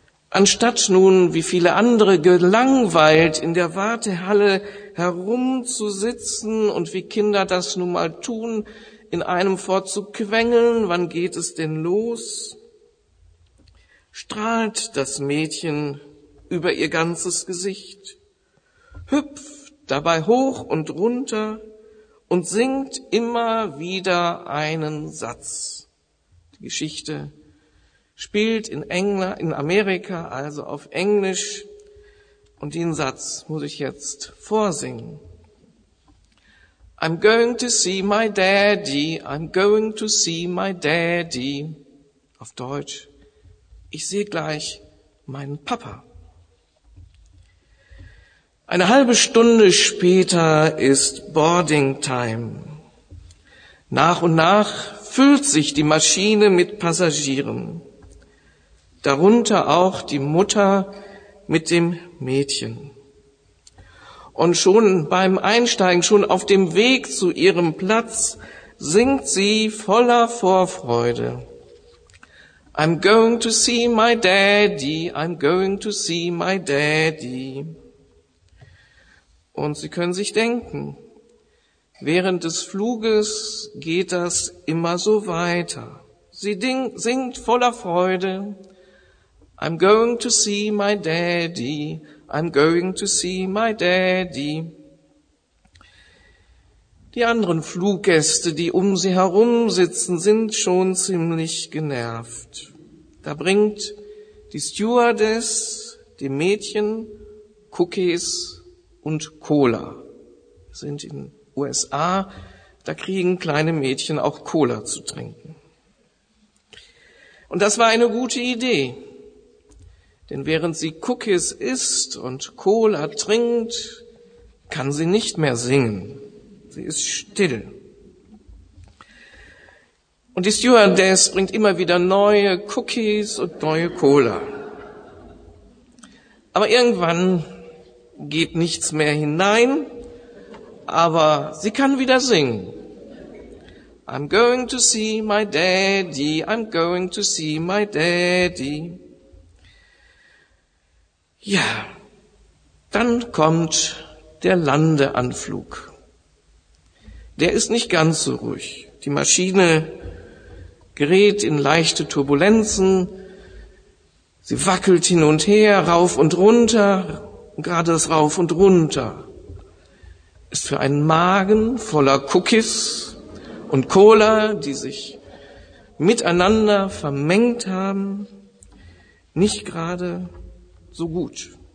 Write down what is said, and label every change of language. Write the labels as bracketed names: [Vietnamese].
[German] Anstatt nun, wie viele andere, gelangweilt in der Wartehalle herumzusitzen und wie Kinder das nun mal tun, in einem fort zu quengeln, wann geht es denn los, strahlt das Mädchen über ihr ganzes Gesicht, hüpft dabei hoch und runter und singt immer wieder einen Satz. Die Geschichte spielt in England, in Amerika, also auf Englisch. Und den Satz muss ich jetzt vorsingen. [English] I'm going to see my daddy, I'm going to see my daddy. [German] Auf Deutsch, ich sehe gleich meinen Papa. Eine halbe Stunde später ist Boarding Time. Nach und nach füllt sich die Maschine mit Passagieren. Darunter auch die Mutter mit dem Mädchen. Und schon beim Einsteigen, schon auf dem Weg zu ihrem Platz, singt sie voller Vorfreude. [English] I'm going to see my daddy, I'm going to see my daddy. [German] Und Sie können sich denken, während des Fluges geht das immer so weiter. Sie singt voller Freude. [English] I'm going to see my daddy, I'm going to see my daddy. [German] Die anderen Fluggäste, die um sie herum sitzen, sind schon ziemlich genervt. Da bringt die Stewardess dem Mädchen Cookies und Cola. Wir sind in den USA, da kriegen kleine Mädchen auch Cola zu trinken. Und das war eine gute Idee. Denn während sie Cookies isst und Cola trinkt, kann sie nicht mehr singen. Sie ist still. Und die Stewardess bringt immer wieder neue Cookies und neue Cola. Aber irgendwann geht nichts mehr hinein, aber sie kann wieder singen. [English] I'm going to see my daddy, I'm going to see my daddy. [German] Ja, dann kommt der Landeanflug. Der ist nicht ganz so ruhig. Die Maschine gerät in leichte Turbulenzen. Sie wackelt hin und her, rauf und runter. Und gerade das Rauf und Runter ist für einen Magen voller Cookies und Cola, die sich miteinander vermengt haben, nicht gerade so gut.